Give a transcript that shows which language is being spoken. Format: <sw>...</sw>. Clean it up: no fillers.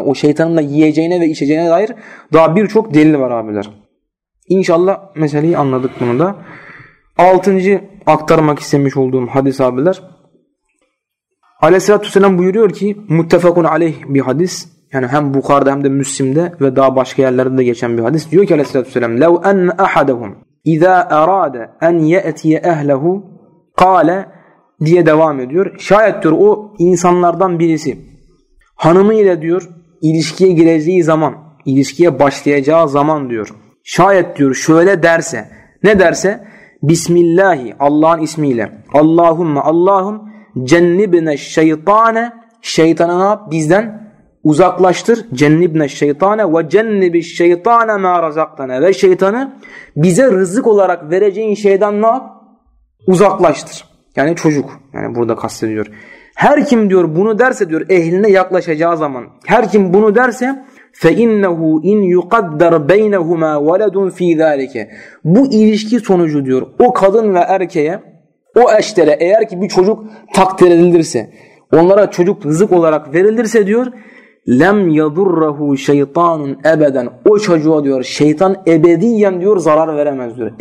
<tr>O şeytanın da yiyeceğine ve içeceğine dair daha birçok delil var abiler. İnşallah meseleyi anladık bunu da. Altıncı aktarmak istemiş olduğum hadis abiler. Aleyhissalatü vesselam buyuruyor ki muttefakun aleyh bir hadis. Yani hem Bukhari'de hem de Müslim'de ve daha başka yerlerde de geçen bir hadis. Diyor ki aleyhissalatü vesselam</tr> <ar>لَوْ أَنَّ أَحَدَهُمْ اِذَا أَرَادَ اَنْ يَأْتِيَ اَهْلَهُ قَالَ</ar> <tr>diye devam ediyor. Şayet diyor o insanlardan birisi hanımıyla diyor ilişkiye gireceği zaman, ilişkiye başlayacağı zaman diyor. Şayet diyor şöyle derse, ne derse? Bismillahi, Allah'ın ismiyle.</tr> <ar>Allahümme Allahum cennibne şeytane.</ar> <tr>Şeytanı ne yap? Bizden uzaklaştır.</tr> <ar>Cennibne şeytane ve cennibiş şeytane ma razaktane.</ar> <tr>Ve şeytanı bize rızık olarak vereceğin şeyden ne yap? Uzaklaştır. Yani çocuk. Yani burada kastediyor. Her kim diyor bunu derse diyor ehline yaklaşacağı zaman. Her kim bunu derse</tr> <ar>فَاِنَّهُ اِنْ يُقَدَّرْ بَيْنَهُمَا وَلَدٌ ف۪ي ذَٰلِكَ.</ar> <tr>Bu ilişki sonucu diyor o kadın ve erkeğe, o eşlere eğer ki bir çocuk takdir edilirse, onlara çocuk rızık olarak verilirse diyor</tr> <ar>لَمْ يَضُرَّهُ شَيْطَانٌ اَبَدًا.</ar> <tr>O çocuğa diyor şeytan ebediyen diyor zarar veremez diyor.</tr>